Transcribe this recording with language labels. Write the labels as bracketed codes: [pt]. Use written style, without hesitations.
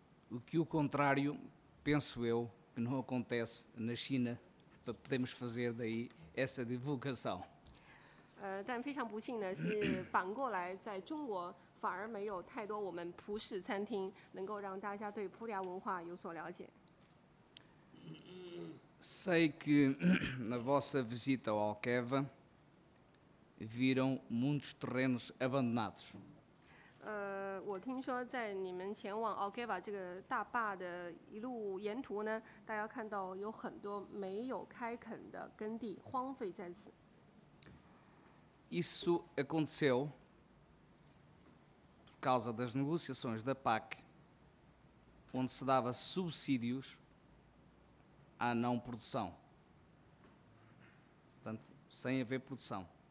[pt] O que o contrário, penso eu, que não acontece na China, para podermos fazer daí essa divulgação. [zh] 但非常不幸的是，反过来在中国反而没有太多我们葡式餐厅能够让大家对葡萄牙文化有所了解。 [pt] Sei que na vossa visita ao Alqueva viram muitos terrenos abandonados. [zh] 我听说在你们前往Alqueva这个大坝的一路沿途呢，大家看到有很多没有开垦的耕地荒废在此。 [pt] Isso aconteceu por causa das negociações da PAC, onde se dava subsídios à não produção, portanto, sem haver produção.